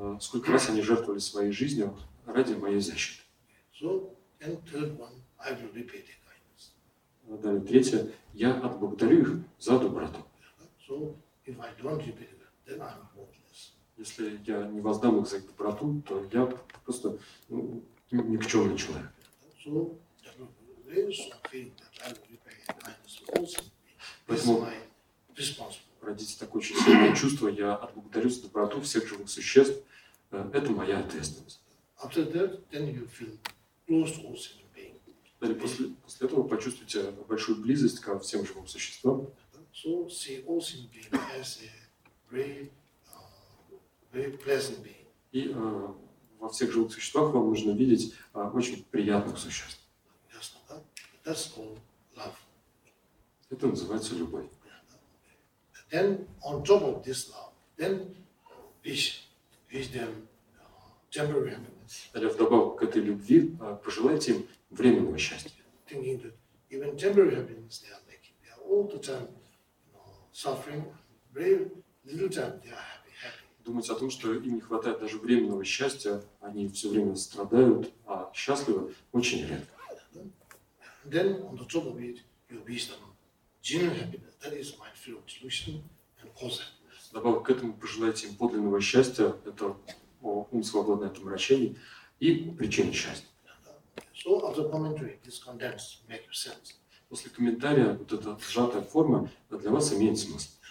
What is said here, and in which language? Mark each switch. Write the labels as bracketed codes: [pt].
[ru] Сколько раз они жертвовали своей жизнью ради моей защиты. [en] So, and third one, I will repay their kindness. [ru] Далее, третье, я отблагодарю их за доброту. [en] So, if I don't repay them, then I'm worthless. [ru] Если я не воздам их за их доброту, то я просто никчемный человек. [en] So, there is a feeling that I will repay their kindness also. This is my responsibility. [ru] Родите такое очень сильное чувство, я отблагодарю за доброту всех живых существ. Это моя ответственность. После этого почувствуйте большую близость ко всем живым существам. [en] So see all sin being as a very, very pleasant being. [ru] И во всех живых существах вам нужно видеть очень приятных существ. [en] That's called love. [ru] Это называется любовь. [en] Then on top of this love, then wish them temporary happiness. [ru] Далее вдобавок к этой любви пожелайте им временного счастья. [en] Thinking that even temporary happiness they are lacking. They are all the time suffering. Very little time they are happy. [ru] Думать о том, что им не хватает даже временного счастья, они все время страдают, а счастливы очень редко. [en] Then on the top of it, you wish them genuine happiness. That is mind-free of delusion and cause happiness. [ru] Вдобавок к этому пожелайте им подлинного счастья, это ум свободный от омрачений и причины счастья. [en] So after commentary, this condensed make your sense. [ru] После комментария вот эта сжатая форма для вас имеет смысл.